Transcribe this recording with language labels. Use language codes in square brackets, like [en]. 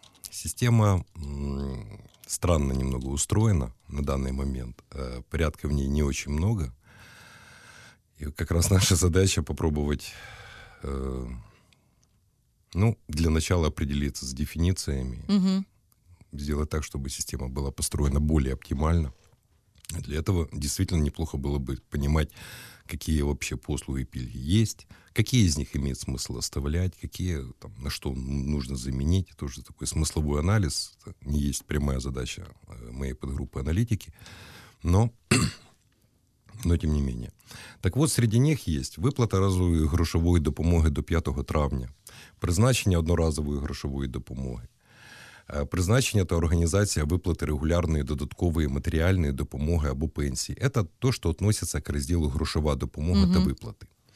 [ru] Система странно немного устроена [uk] на даний момент, [ru] порядка в ній не очень много. І как раз наша задача попробувати... Ну, для начала определиться с дефинициями, сделать так, чтобы система была построена более оптимально. Для этого действительно неплохо было бы понимать, какие вообще послуги и пильги есть, какие из них имеет смысл оставлять, какие там, на что нужно заменить. Это уже такой смысловой анализ, это не есть прямая задача моей подгруппы аналитики, но тем не менее. [uk] Так вот, среди них есть выплата разовой грошовой допомоги до 5 травня, призначення одноразової грошової допомоги, призначення та організація виплати регулярної додаткової матеріальної допомоги або пенсії. Це те, що відноситься до розділу грошова допомога та виплати.